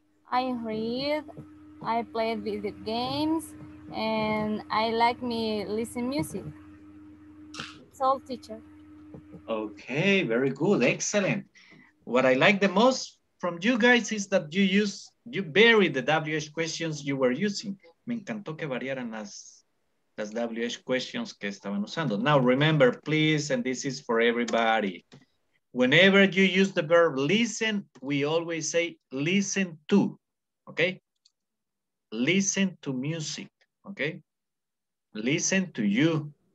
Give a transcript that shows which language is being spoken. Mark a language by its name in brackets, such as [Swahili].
[English] I read, I play video games, and I like me listen music. That's all, teacher. Okay, very good, excellent. What I like the most from you guys is that you use, you vary the WH questions you were using. [Spanish] Me encantó que variaran las WH questions que estaban usando. [English] Now remember, please, and this is for everybody. Whenever you use the verb listen, we always say listen to, okay? Listen to music, okay? Listen to you.